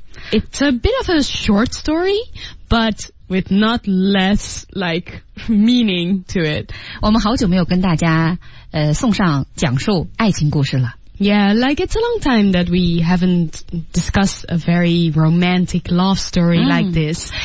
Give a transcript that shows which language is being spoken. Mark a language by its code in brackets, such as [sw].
[en] It's a bit of a short story, but with not less like meaning to it. [zh] 我们好久没有跟大家送上讲述爱情故事了。 [en] Yeah, like it's a long time that we haven't discussed a very romantic love story like this.